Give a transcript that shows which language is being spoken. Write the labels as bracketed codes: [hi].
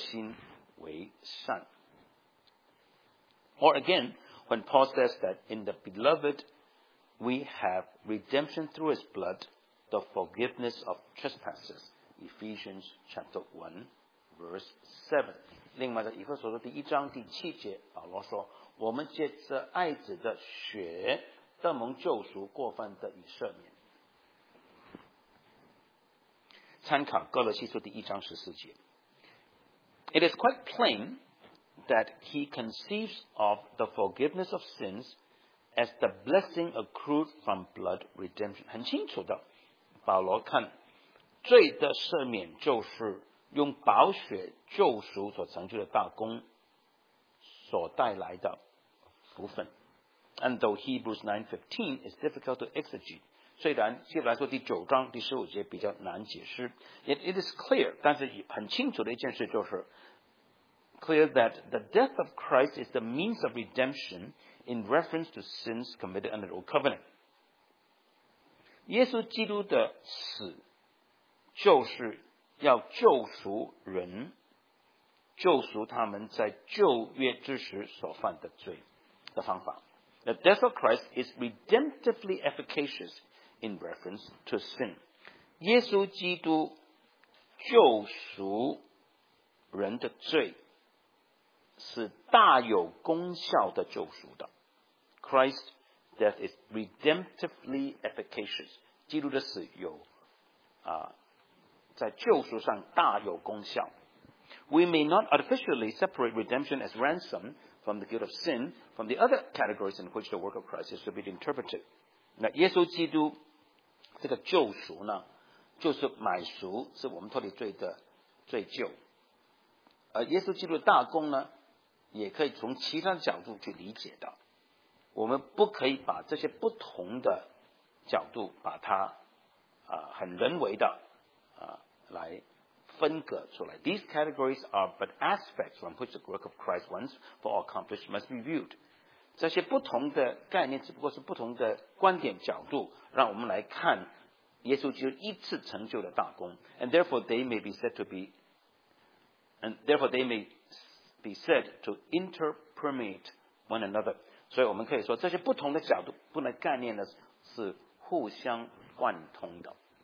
[zh] 当保罗在提多书讲到耶稣基督的时候，他是这样讲的。提多书第二章第十四节，他为我们舍了自己，要赎我们脱离一切罪恶，又洁净我们，特作自己的子民，热心为善。 [en] Or again, when Paul says that in the Beloved, we have redemption through his blood, the forgiveness of trespasses, Ephesians chapter 1, verse 7. [zh] 另外在以弗所书第一章第七节，保罗说：“我们借着爱子的血，得蒙救赎，过犯的以赦免。” 参考哥罗西书第一章十四节。 [en] It is quite plain that he conceives of the forgiveness of sins as the blessing accrued from blood redemption. [zh] 很清楚的，保罗看罪的赦免就是用宝血救赎所成就的大功所带来的福分。 [en] And though Hebrews 9:15 is difficult to exegete, [zh] 虽然希伯来书第九章第十五节比较难解释 [en] ，yet it is clear. [zh] 但是很清楚的一件事就是 [en] clear that the death of Christ is the means of redemption in reference to sins committed under the old covenant. [zh] 耶稣基督的死就是要救赎人，救赎他们在旧约之时所犯的罪的方法。 [en] The death of Christ is redemptively efficacious in reference to sin. [zh] 耶稣基督救赎人的罪是大有功效的救赎的。 [en] Christ's death is redemptively efficacious. [zh] 基督的死有在救赎上大有功效。 [en] We may not artificially separate redemption as ransom from the guilt of sin from the other categories in which the work of Christ is to be interpreted. [zh] 那耶稣基督这个救赎呢，就是买赎，是我们脱离罪的罪疚。而耶稣基督的大功呢，也可以从其他角度去理解的。我们不可以把这些不同的角度把它很人为的来分隔出来。 [en] These categories are but aspects from which the work of Christ once for all accomplished must be viewed. [zh] 这些不同的概念只不过是不同的观点角度，让我们来看耶稣基督一次成就的大功。 [en] And therefore they may be said to be, and therefore they may be said to interpermeate one another. [zh] 所以我们可以说，这些不同的角度、不同的概念呢，是互相贯通的。